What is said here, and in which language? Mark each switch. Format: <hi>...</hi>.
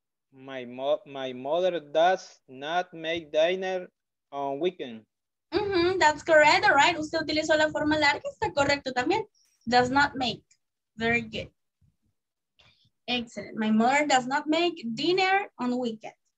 <en>My mother does not make dinner on weekend. Mm-hmm, that's correct, all right.</en> <es>Usted utilizó la forma larga, está correcto también.</es> <en>Does not make. Very good. Excellent. My mother does not make dinner on weekend.</en>